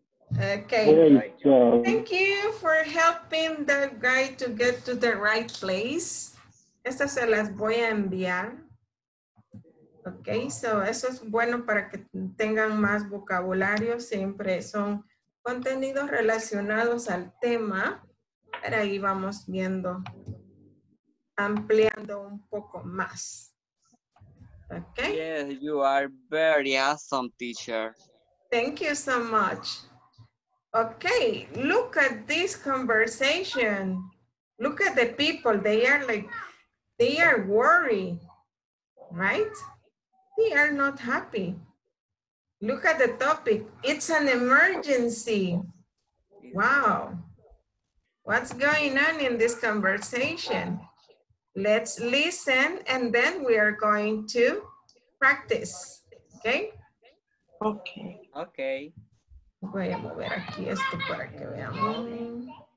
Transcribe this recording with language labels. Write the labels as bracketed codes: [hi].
[en] Okay, thank you for helping the guy to get to the right place. [es] Estas se las voy a enviar. [en] Okay, so [es] eso es bueno para que tengan más vocabulario. Siempre son contenidos relacionados al tema. Pero ahí vamos viendo, ampliando un poco más. [en] Okay. Yes, you are very awesome, teacher. Thank you so much. Okay, look at this conversation. Look at the people. They are worried, right? They are not happy. Look at the topic. It's an emergency. Wow. What's going on in this conversation? Let's listen and then we are going to practice. Okay? Okay. [es] Voy a mover aquí esto para que veamos.